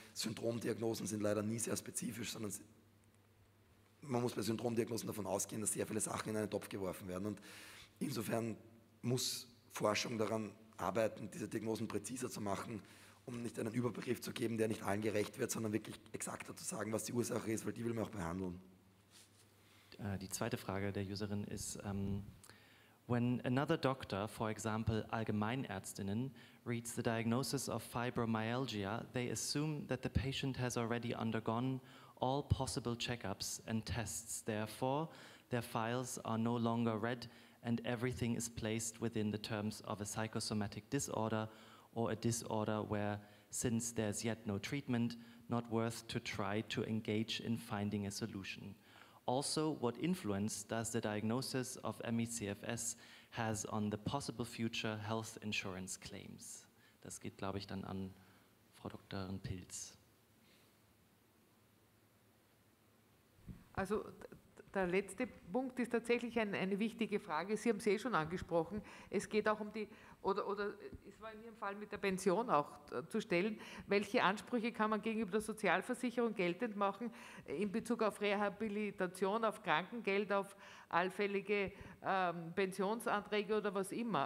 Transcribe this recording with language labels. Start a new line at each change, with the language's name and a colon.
German: Syndromdiagnosen sind leider nie sehr spezifisch, sondern man muss bei Syndromdiagnosen davon ausgehen, dass sehr viele Sachen in einen Topf geworfen werden und insofern muss Forschung daran arbeiten, diese Diagnosen präziser zu machen, um nicht einen Überbegriff zu geben, der nicht allen gerecht wird, sondern wirklich exakter zu sagen, was die Ursache ist, weil die will man auch behandeln. Die zweite Frage der Userin ist,
English: when another doctor, for example Allgemeinärztinnen, reads the diagnosis of fibromyalgia, they assume that the patient has already undergone all possible checkups and tests, therefore their files are no longer read and everything is placed within the terms of a psychosomatic disorder or a disorder where, since there's yet no treatment, not worth to try to engage in finding a solution. Also, what influence does the diagnosis of ME/CFS has on the possible future health insurance claims?
German: Das geht, glaube ich, dann an Frau Dr. Pilz. Also Der letzte Punkt ist tatsächlich eine wichtige Frage. Sie haben es eh schon angesprochen. Es geht auch um die, oder es war in Ihrem Fall mit der Pension auch zu stellen, welche Ansprüche kann man gegenüber der Sozialversicherung geltend machen in Bezug auf Rehabilitation, auf Krankengeld, auf allfällige Pensionsanträge oder was immer.